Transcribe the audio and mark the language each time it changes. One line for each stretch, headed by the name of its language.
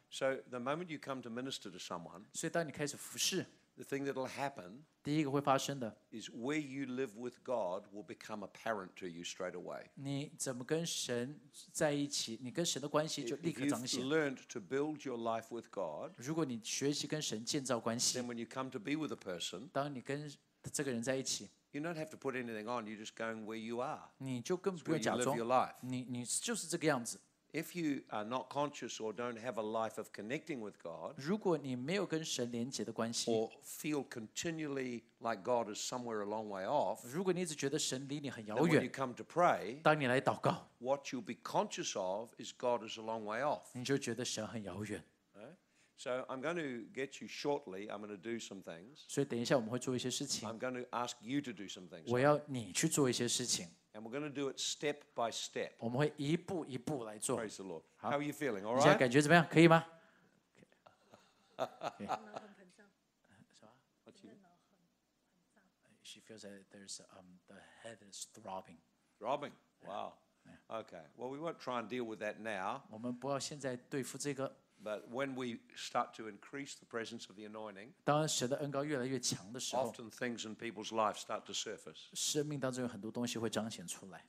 English: So the moment you come to minister to someone,
Chinese: 所以当你开始服事
English: the thing that will happen,
Chinese: 第一个会发生的
English: is where you live with God will become apparent to you straight away.
Chinese: 你怎么跟神在一起，你跟神的关系就立刻彰显。
English: If you learned to build your life with God,
Chinese: 如果你学习跟神建造关系
English: then when you come to be with a person,
Chinese: 当你跟这个人在一起。
English: You don't have to put anything on. You're just going where you are.
Chinese: 你就根本不用假装。
English: Where you live your life.
Chinese: 你就是这个样子。
English: If you are not conscious or don't have a life of connecting with God,
Chinese: 如果你没有跟神连接的关系
English: or feel continually like God is somewhere a long way off,
Chinese: 如果你一直觉得神离你很遥远
English: then when you come to pray,
Chinese: 当你来祷告
English: what you'll be conscious of is God is a long way off.
Chinese: 你就觉得神很遥远。
English: So I'm going to get you shortly. I'm going to do some things.
Chinese: 所以等一下我们会做一些事情。
English: I'm going to ask you to do some things.
Chinese: 我要你去做一些事情。
English: And we're going to do it step by step.
Chinese: 我们会一步一步来做。
English: Praise the Lord. How are you feeling? All right.
Chinese: 你现在感觉怎么样？可以吗？脑很胀。什么？
English: She feels that there's the head is throbbing. Throbbing. Wow. Okay. Well, we won't try and deal with that now.
Chinese: 我们不要现在对付这个。
English: But when we start to increase the presence of the anointing,
Chinese: 当神的恩膏越来越强的时候
English: often things in people's lives start to surface.
Chinese: 生命当中有很多东西会彰显出来